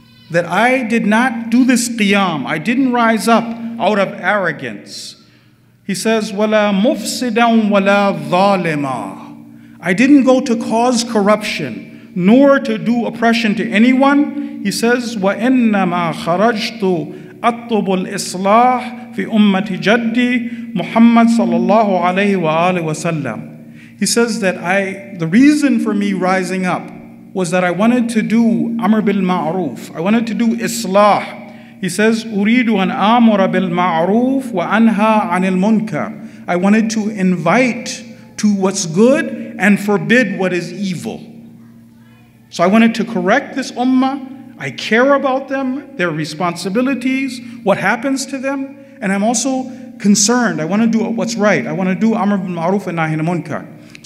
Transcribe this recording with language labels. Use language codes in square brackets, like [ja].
[en] That I did not do this Qiyam. I didn't rise up out of arrogance. He says, [ar] wala mufsidan wala zalima. [en] I didn't go to cause corruption, nor to do oppression to anyone. He says, [ar] وَإِنَّمَا خَرَجْتُ أطلب الإصلاح في أمة جدي محمد صلى الله عليه وآله وسلم. [en] He says that the reason for me rising up was that I wanted to do Amr bil Ma'ruf. I wanted to do Islah. [ar] He says, أُرِيدُ أَنْ أَمُرَ بِالْمَعْرُوفِ وَأَنْهَى عَنِ الْمُنْكَرِ. [en] I wanted to invite to what's good and forbid what is evil. So I wanted to correct this ummah. I care about them, their responsibilities, what happens to them. And I'm also concerned. I want to do what's right. I want to do Amr bil Ma'ruf and Nahi al-Munkar.